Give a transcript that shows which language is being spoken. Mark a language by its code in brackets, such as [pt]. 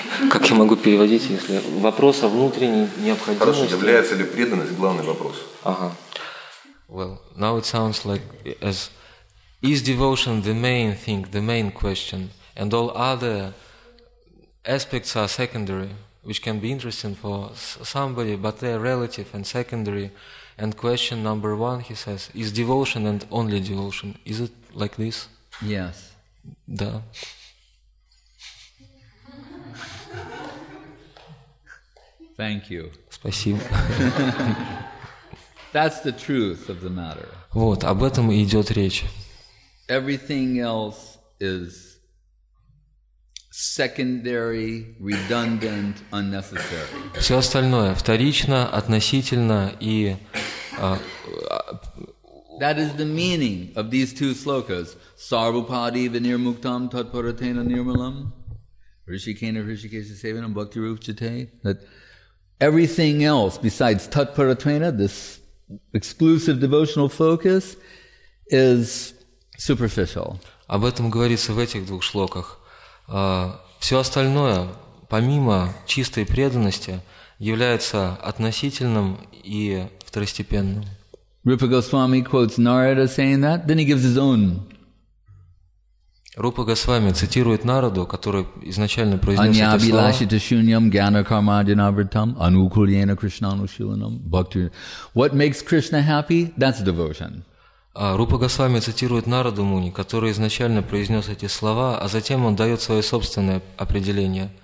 [ru] Как я могу переводить, если вопрос о внутренней необходимости? Хорошо, является ли преданность главный вопрос? Ага. [en] Well, now it sounds like as is devotion the main thing, the main question, and all other aspects are secondary, which can be interesting for somebody, but they are relative and secondary. And question number one, he says, is devotion and only devotion. Is it like this? Yes. [ru] Да. [en] Thank you. [ru] Спасибо. [en] That's the truth of the matter. [ru] Вот, об этом и идет речь. [en] Everything else is secondary, redundant, unnecessary. [ru] Все остальное вторично, относительно и... [en] That is the meaning of these two slokas. [sa] Sarvapadi vinirmuktam tatparatena nirmalam Rishikena Rishikesha Sevanam Bhakti Rup Chate. [en] That everything else besides tatparatena, this exclusive devotional focus, is superficial. [ru] Об этом говорится в этих двух шлоках. Все остальное, помимо чистой преданности, является относительным и второстепенным. [en] Rupa Goswami quotes Narada saying that, then he gives his own. [ru] Rupa Goswami цитирует Нараду, который изначально произнес эти слова. [sa] абилашита шуньям гьяна кармаджана вритам анукульена кришнанушиланам бхакти. [en] What makes Krishna happy? That's devotion. [ru] Рупа Госвами цитирует Нараду Муни, который изначально произнес эти слова, а затем он дает свое собственное определение.